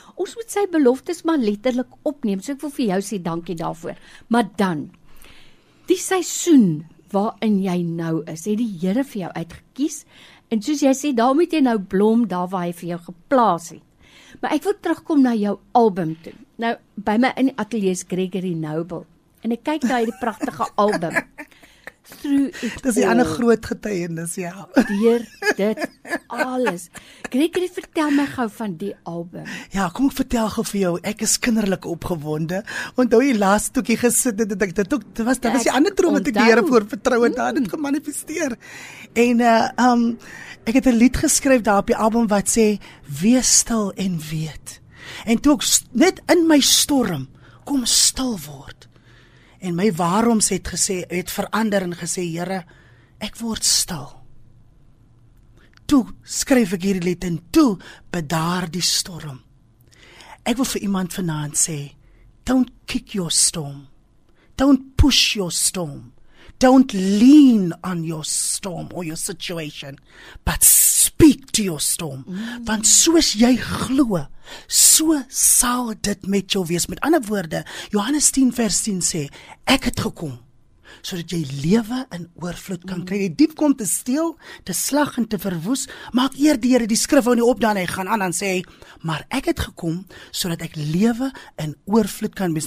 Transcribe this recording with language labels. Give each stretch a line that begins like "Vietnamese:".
Afrikaans: Ons moet sy beloftes maar letterlik opneem. So ek wil vir jou sê dankie daarvoor. Maar dan, die seisoen waarin jy nou is, het die Here vir jou uitgekies. En soos jy sê, daar moet jy nou blom daar waar hy vir jou geplaas het. Maar ek wil terugkom na jou album toe. Nou, by my in die ateljee is Gregory Noble. En ek kyk na die pragtige album. Dis die ander groot getuienis, ja. Deur dit alles. Gregory, vertel my gou van die album. Ja, kom ek vertel gou vir jou. Ek is kinderlik opgewonde. Onthou jy laaste toekie gesit het, het ek dit ook, dit was die ander droom wat ek die Here voor vertrou het, daar het gemanifesteer. En ek het 'n lied geskryf daar op die album wat sê, wees stil en weet. En toe ek net in my storm kom stil word, en my waaroms het gesê, het verander en gesê, Here, ek word stil. Toe skryf ek hierdie lied en toe bedaar die storm.
English: Ek wil vir iemand vanaand sê, don't kick your storm. Don't push your storm. Don't lean on your storm or your situation. But speak to your storm.
Afrikaans: Want soos jy glo, so sal dit met jou wees. Met ander woorde, Johannes 10 vers 10 sê, ek het gekom, sodat jy lewe in oorvloed kan kry. Die dief kom te steel, te slag en te verwoes, maak eer die Here die skrif hou nie op, dan hy gaan aan, dan sê hy, maar ek het gekom, sodat ek lewe in oorvloed kan wees.